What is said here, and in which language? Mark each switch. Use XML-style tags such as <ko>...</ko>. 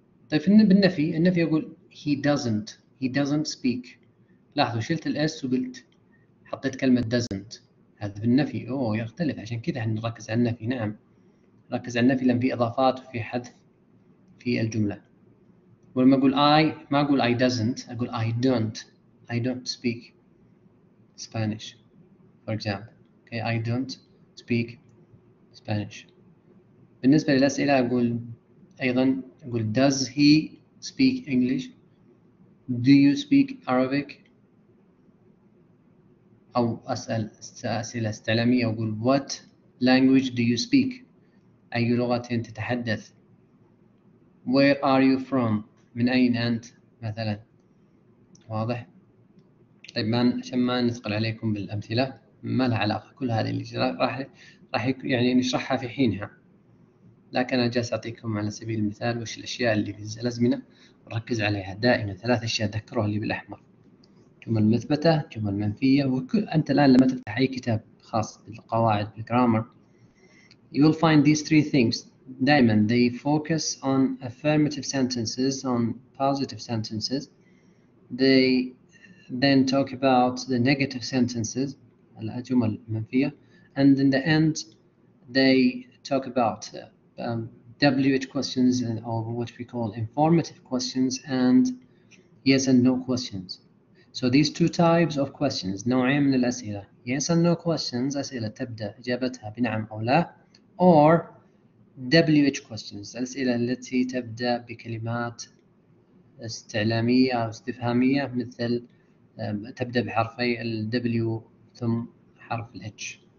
<ar>طيب بالنفي، النفي أقول</ar> <en>he doesn't speak،</en> <ar>لاحظوا شلت الإس وقلت حطيت كلمة doesn't، هذا بالنفي. أوه يختلف، عشان كذا هنركز على النفي. نعم ركز على النفي لأن في إضافات وفي حذف في الجملة. ولما أقول I ما أقول I doesn't، أقول</ar> <en>I don't speak Spanish for example. Okay, I don't speak Spanish.</en> <ar>بالنسبة للأسئلة أقول أيضا أقول</ar> <en>does he speak English, do you speak Arabic،</en> <ar>أو أسأل أسئلة استعلامية أقول</ar> <en>what language do you speak،</en> <ar>أي لغة تتحدث،</ar> <en>where are you from،</en> <ar>من أين أنت مثلا. واضح؟ طيب ما عشان ما نثقل عليكم بالأمثلة، ما لها علاقة كل هذه اللي راح يعني نشرحها في حينها، لكن أنا جالس أعطيكم على سبيل المثال وش الأشياء اللي في الأزمنة ونركز عليها دائما. ثلاث أشياء ذكروها اللي بالأحمر، جمل مثبتة، جمل منفية. وكل أنت الآن لما تفتح أي كتاب خاص بالقواعد بالجرامر</ar> <en>you'll find these three things</en> <ar>دائما.</ar> <en>They focus on affirmative sentences, on positive sentences. They then talk about the negative sentences,</en> <ar>الجمل المنفية.</ar> <en>And in the end, they talk about WH questions, or what we call informative questions, and yes and no questions. So these two types of questions,</en> <ar>نوعين من الأسئلة.</ar> <en>Yes and no questions,</en> <ar>أسئلة تبدأ إجابتها بنعم أو لا.</ar> <en>Or WH questions،</en> <ar>الأسئلة التي تبدأ بكلمات استعلامية أو استفهامية، مثل تبدأ بحرفي ال W ثم حرف ال H.</ar>